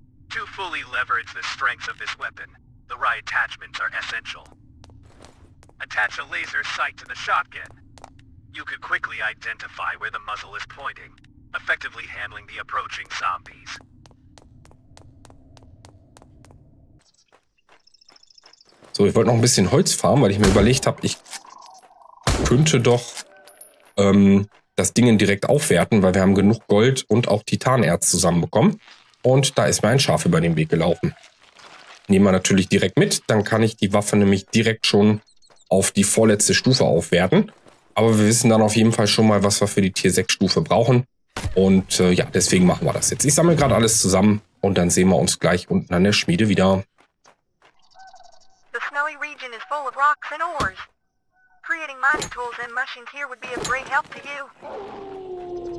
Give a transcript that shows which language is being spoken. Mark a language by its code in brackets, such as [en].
[en] To fully leverage the strengths of this weapon, the right attachments are essential. Attach a laser sight to the shotgun. You could quickly identify where the muzzle is pointing, effectively handling the approaching zombies. [de] So, ich wollte noch ein bisschen Holz farmen, weil ich mir überlegt habe, ich könnte doch das Ding direkt aufwerten, weil wir haben genug Gold und auch Titanerz zusammenbekommen. Und da ist mir ein Schaf über den Weg gelaufen. Nehmen wir natürlich direkt mit. Dann kann ich die Waffe nämlich direkt schon auf die vorletzte Stufe aufwerten. Aber wir wissen dann auf jeden Fall schon mal, was wir für die Tier 6 Stufe brauchen. Und ja, deswegen machen wir das jetzt. Ich sammle gerade alles zusammen und dann sehen wir uns gleich unten an der Schmiede wieder. [en] The snowy region is full of rocks and ores. Creating mining tools and machines here would be a great help to you.